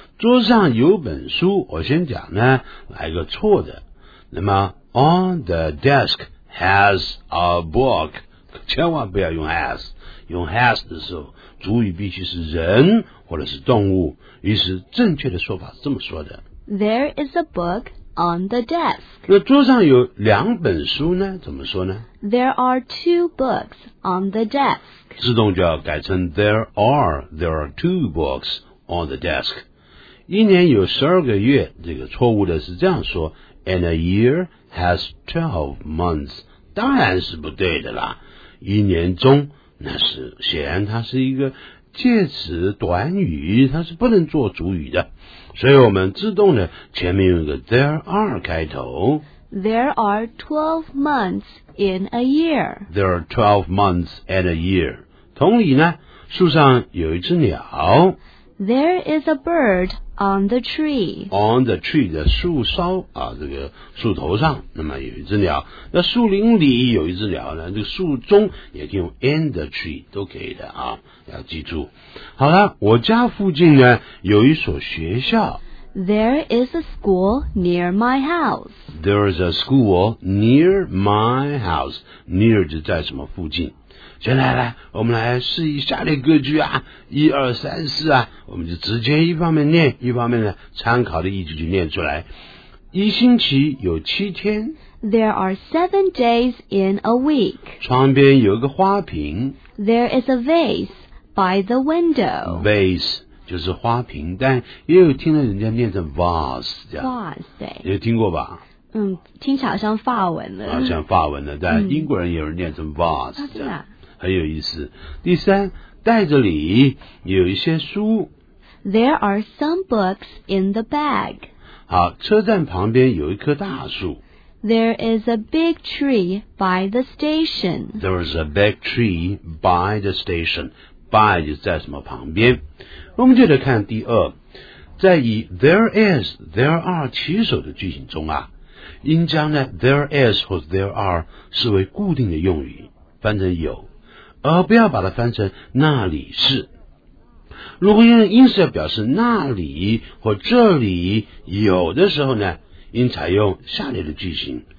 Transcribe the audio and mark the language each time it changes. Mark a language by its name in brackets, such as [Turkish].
[Chinese] 桌上有本书，我先讲呢，来个错的。那么 , [English] on the desk has a book, [Chinese] 千万不要用 has, 用 has 的时候主语必须是人或者是动物，于是正确的说法是这么说的。 [English] There is a book on the desk. [Chinese] 那桌上有两本书呢，怎么说呢？ [English] There are two books on the desk. [Chinese] 自动就要改成 [English] there are two books on the desk. [Chinese] 一年有12个月，这个错误的是这样说， [English] and a year has 12 months. [Chinese] 当然是不对的啦，一年中那是显然它是一个介词短语，它是不能做主语的，所以我们自动的前面用一个 there are 开头。 [English] There are 12 months in a year. There are 12 months in a year. [Chinese] 同理呢，树上有一只鸟。 [English] There is a bird on the tree. On the tree [Chinese] 的树梢啊，这个树头上，那么有一只鸟。那树林里有一只鸟呢，这个树中也可以用 [English] in the tree [Chinese] 都可以的啊，要记住。好了，我家附近呢有一所学校。 [English] There is a school near my house. There is a school near my house. [Chinese] Near 就在什么附近。先来来，我们来试一下列歌句啊，一二三四啊，我们就直接一方面念，一方面呢参考的意思就念出来。一星期有七天。 [English] There are 7 days in a week. [Chinese] 窗边有个花瓶。 [English] There is a vase by the window. [Chinese] Vase 就是花瓶，但也有听到人家念成 vase 这样。 Vase 对。有听过吧？嗯，听起来像法文的。啊，像法文的，但英国人也有念成 vase 这样。啊，对啊。很有意思。第三，袋子里有一些书。 [English] There are some books in the bag. [Chinese] 好，车站旁边有一棵大树。 [English] There is a big tree by the station. There is a big tree by the station. [Chinese] By 就是在什么旁边。我们接着看第二，在以 there is, there are 起手的句型中啊，应将呢 there is 或 there are 视为固定的用语，翻成有。而不要把它翻成那里是。如果用因此要表示那里或这里有的时候呢，应采用下列的句型。